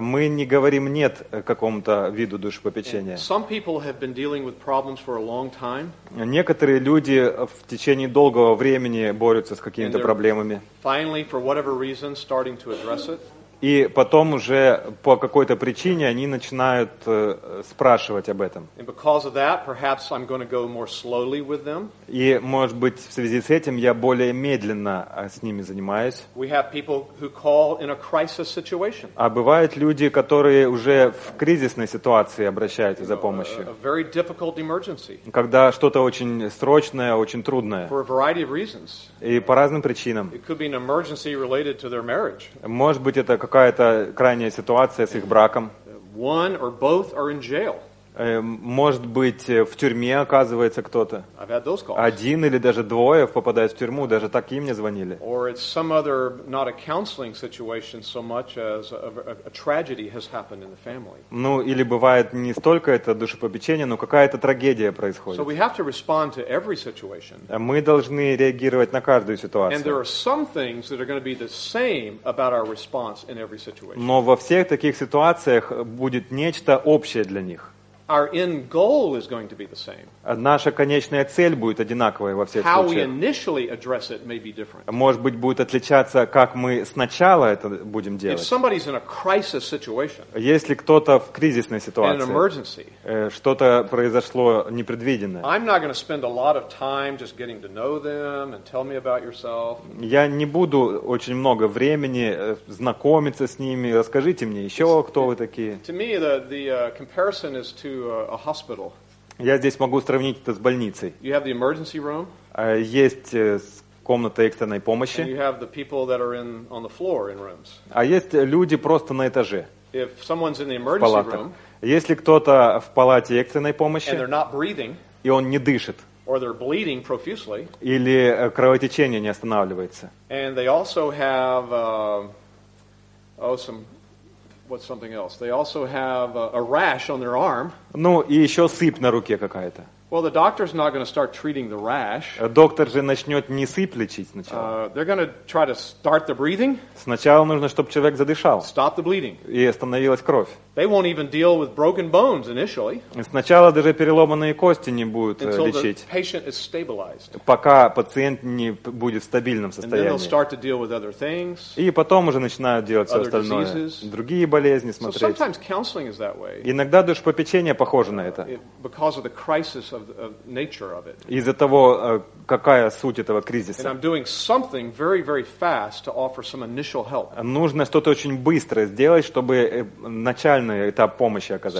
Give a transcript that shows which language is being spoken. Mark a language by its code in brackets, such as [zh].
[ru] Мы не говорим нет какому-то виду душепопечения. [en] Some people have been dealing with problems for a long time. [ru] Некоторые люди в течение долгого времени борются с какими-то проблемами. [en] Finally, for whatever reason, starting to address it. [ru] И потом уже по какой-то причине они начинают спрашивать об этом. [en] And because of that, perhaps I'm going to go more slowly with them. [ru] И, может быть, в связи с этим я более медленно с ними занимаюсь. [en] We have people who call in a crisis situation. [ru] А бывают люди, которые уже в кризисной ситуации обращаются за помощью. [en] A very difficult emergency. [ru] Когда что-то очень срочное, очень трудное. [en] For a variety of reasons. [ru] И по разным причинам. [en] It could be an emergency related to their marriage. [ru] Может быть, это какая-то крайняя ситуация с их браком. [en] One or both are in jail. [ru] Может быть, в тюрьме оказывается кто-то. [en] I've had those calls. [ru] Один или даже двое попадают в тюрьму, даже такие мне звонили. [en] Or it's some other, not a counseling situation so much as a tragedy has happened in the family. [ru] Ну, или бывает не столько это душепопечение, но какая-то трагедия происходит. [en] So we have to respond to every situation. [ru] Мы должны реагировать на каждую ситуацию. [en] And there are some things that are going to be the same about our response in every situation. [ru] Но во всех таких ситуациях будет нечто общее для них. [en] Our end goal is going to be the same. [ru] Наша конечная цель будет одинаковая во всех [en] How [ru] случаях. [en] We initially address it may be different. [ru] Может быть, будет отличаться, как мы сначала это будем делать. [en] If somebody's in a crisis situation, [ru] если кто-то в кризисной ситуации, [en] in an emergency, [ru] что-то произошло непредвиденное, [en] I'm not going to spend a lot of time just getting to know them and tell me about yourself. [ru] Я не буду очень много времени знакомиться с ними. Расскажите мне еще, кто вы такие. [en] To me, the comparison is to a hospital. [ru] Я здесь могу сравнить это с больницей. [en] You have the emergency room. [ru] Есть комната экстренной помощи. [en] And you have the people that are in on the floor in rooms. [ru] А есть люди просто на этаже. [en] If someone's in the emergency room. [ru] Если кто-то в палате экстренной помощи. [en] And they're not breathing. [ru] И он не дышит. [en] Or they're bleeding profusely. [ru] Или кровотечение не останавливается. [en] And they also have some. What's something else? They also have a rash on their arm. [ru] Ну, и еще сыпь на руке какая-то. [en] Well, the doctor's not going to start treating the rash. [ru] Доктор же начнет не сыпь лечить сначала. [en] They're going to try to start the breathing. [ru] Сначала нужно, чтобы человек задышал. [en] Stop the bleeding. [ru] И остановилась кровь. [en] They won't even deal with broken bones initially. [ru] Сначала даже переломанные кости не будут [en] until [ru] лечить. [en] Until the patient is stabilized. [ru] Пока пациент не будет в стабильном состоянии. [en] And then they'll start to deal with other things. [ru] И потом уже начинают делать [en] other [ru] все остальное. [en] Diseases. [ru] Другие болезни смотреть. [en] So sometimes counseling is that way. [ru] Иногда душепопечение похоже на это. [en] Because of the crisis. Of nature of it. [ru] Из-за того, какая суть этого кризиса. [en] And I'm doing something very, very fast to offer some initial help. [ru] Нужно что-то очень быстро сделать, чтобы начальный этап помощи оказать.